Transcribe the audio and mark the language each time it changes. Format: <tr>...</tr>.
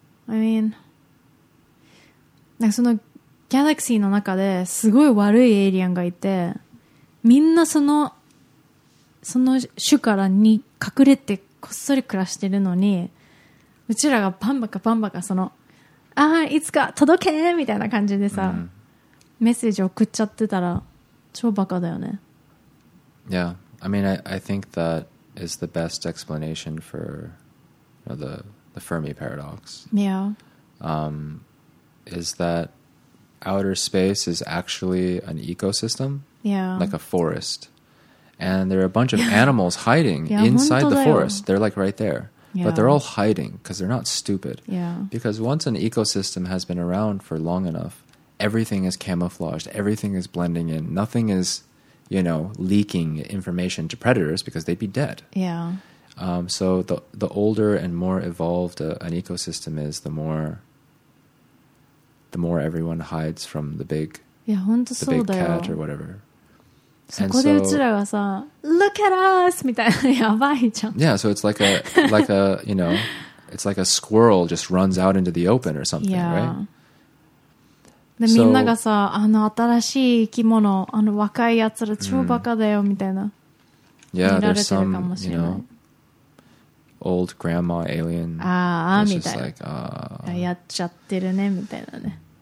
<en>I mean, like,</en> <ja>その galaxy の中ですごい悪いエイリアンがいて、みんなその種からに隠れてこっそり暮らしてるのに、うちらがパンバカパンバカその、ああ、いつか届けみたいな感じでさ、メッセージ送っちゃってたら、超バカだよね。</ja> <en>Yeah, I mean, I think that is the best explanation for, you know, the Fermi paradox. Yeah. Is that outer space is actually an ecosystem. Yeah. Like a forest. And there are a bunch of animals hiding inside the forest. They're like right there. Yeah. But they're all hiding because they're not stupid. Yeah. Because once an ecosystem has been around for long enough, everything is camouflaged. Everything is blending in. Nothing is, you know, leaking information to predators because they'd be dead. Yeah. So the older and more evolved an ecosystem is, the more everyone hides from the big, yeah, the big cat or whatever.</en> <ja>そこでうちらがさ、</ja> <en>look at us!</en> <ja>みたいな、やばいじゃん。</ja> <en>Yeah, so it's like a, you know, it's like a squirrel just runs out into the open or something, yeah. Right?</en> <ja>で、みんながさ、あの新しい生き物、あの若いやつら超バカだよ、みたいな。</ja> <en>Yeah, there's some, you know, old grandma alien.</en> <ja>ああ、みたいな。</ja> <en>Like,</en> <ja>やっちゃってるね、みたいなね。</ja>